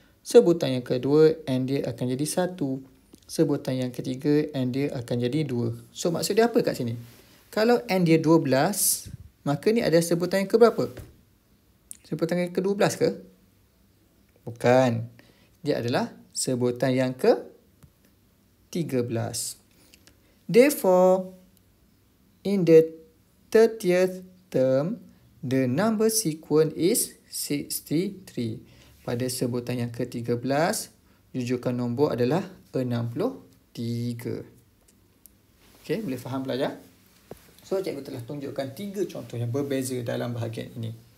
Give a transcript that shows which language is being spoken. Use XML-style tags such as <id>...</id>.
<ms>Sebutan yang kedua, N dia akan jadi 1. Sebutan yang ketiga, N dia akan jadi 2. So, maksud dia apa kat sini? Kalau N dia 12, maka ni ada sebutan yang keberapa? Sebutan yang ke-12 ke? Bukan. Dia adalah sebutan yang ke-13.</ms> <en>Therefore, in the 30th term, the number sequence is 63.</en> <ms>Pada sebutan yang ke-13, jujukan nombor adalah 63. Okay, boleh faham pelajar? So, cikgu telah tunjukkan 3 contoh yang berbeza dalam bahagian ini.</ms>